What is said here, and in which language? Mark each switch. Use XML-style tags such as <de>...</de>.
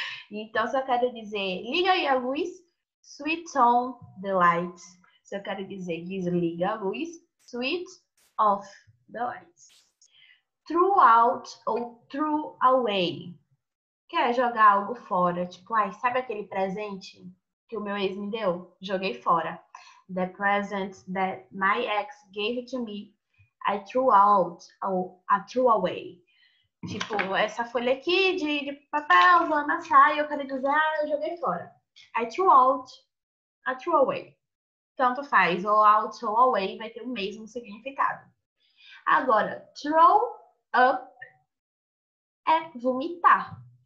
<pt>Então, se eu quero dizer, liga aí a luz,</pt> <en>switch on the light.</en> <pt>Se eu quero dizer, desliga a luz,</pt> <en>switch off the lights. Throughout ou throw away.</en> <pt>Quer jogar algo fora? Tipo, ai, sabe aquele presente que o meu ex me deu? Joguei fora.</pt> <en>The present that my ex gave to me, I threw out ou I threw away.</en> <pt>Tipo, essa folha aqui de papel, vou amassar e eu quero dizer, ah, eu joguei fora.</pt> <en>I threw out, I threw away.</en> <pt>Tanto faz, ou out ou away vai ter o mesmo significado. Agora, throw up é vomitar.</pt>